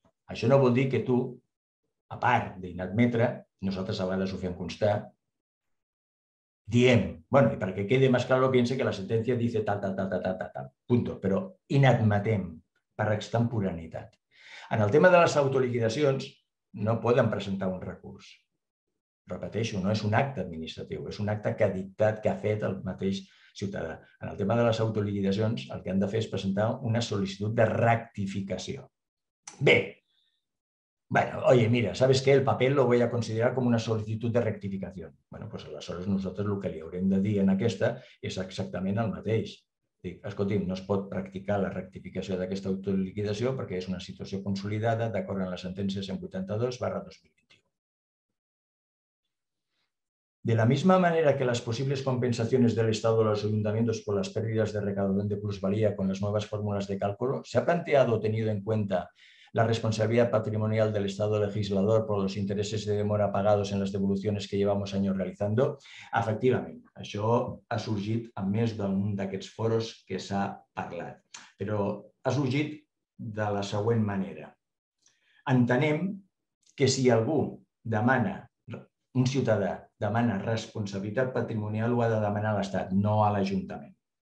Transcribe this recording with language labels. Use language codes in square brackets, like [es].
[ca] Això no vol dir que tu, a part d'inadmetre, nosaltres a vegades ho fem constar, diem, bueno, i perquè quede més clar, pense que la sentència [es] dice tal, tal, tal, tal, tal, tal, tal, punto, [ca] però inadmetem per extemporaneitat. En el tema de les autoliquidacions, no poden presentar un recurs. Repeteixo, no és un acte administratiu, és un acte que ha dictat, que ha fet el mateix ciutadà. En el tema de les autoliquidacions, el que han de fer és presentar una sol·licitud de rectificació. [es] Bé, bueno, oye, mira, ¿sabes qué? El papel lo voy a considerar como una solicitud de rectificació. [ca] Bueno, pues aleshores nosaltres el que li haurem de dir en aquesta és exactament el mateix. Dic, escolti'm, no es pot practicar la rectificació d'aquesta autoliquidació perquè és una situació consolidada d'acord amb la sentència 182/2021. [es] De la misma manera que las posibles compensaciones del Estado a los ayuntamientos por las pérdidas de recaudación de plusvalía con las nuevas fórmulas de cálculo, ¿se ha planteado o tenido en cuenta la responsabilidad patrimonial del Estado legislador por los intereses de demora pagados en las devoluciones que llevamos años realizando. [ca] Efectivament, això ha sorgit a més d'un d'aquests foros que s'ha parlat, però ha sorgit de la següent manera. Entenem que si algú demana, un ciutadà demana responsabilitat patrimonial, ho ha de demanar a l'Estat, no a l'Ajuntament.